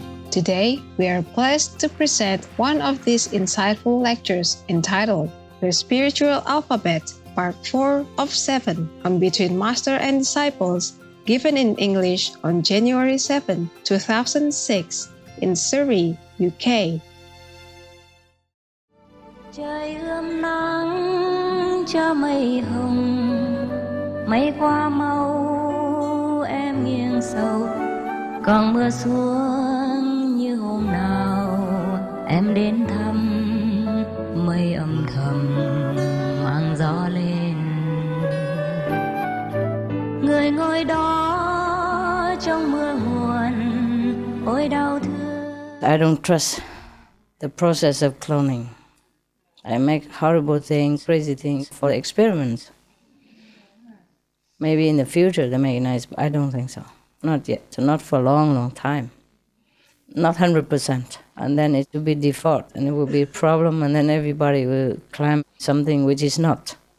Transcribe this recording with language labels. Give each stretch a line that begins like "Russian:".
English: Today, we are blessed to present one of these insightful lectures entitled The Spiritual Alphabet, Part 4 of 7 on Between Master and Disciples, given in English on January 7, 2006 in Surrey, UK.
Vietnamese: Trời ươm nắng cho mây hồng, mây qua màu em nghiêng sầu, còn mưa xuống hôm nào em đến thăm mây âm thầm mang gió lên người ngồi đó trong mưa nguồn ôi đau thương.
English: I don't trust the process of cloning. I make horrible things, crazy things for experiments. Maybe in the future they make nice, but I don't think so. Not yet. So not for a long, long time. Not 100%, and then it will be default, and it will be a problem, and then everybody will claim something which is not.